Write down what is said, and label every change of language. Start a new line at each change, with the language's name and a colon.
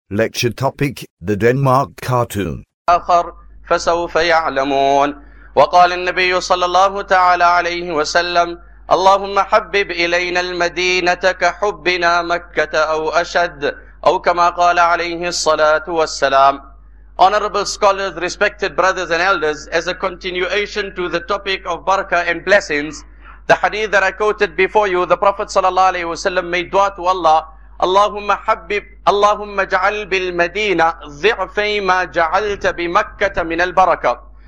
English: Lecture topic, the Denmark cartoon.
Arabic: آخر فسوف يعلمون. وقال النبي صلى الله تعالى عليه وسلم اللهم حبب إلينا المدينة كحبنا مكة أو أشد أو كما قال عليه الصلاة والسلام.
English: Honorable scholars, respected brothers and elders, as a continuation to the topic of barakah and blessings, the hadith that I quoted before you, the Prophet صلى الله عليه وسلم made dua to Allah,
Arabic: اللهم حبب اللهم اجعل بالمدينة ضعفي ما جعلت بمكة من البركة.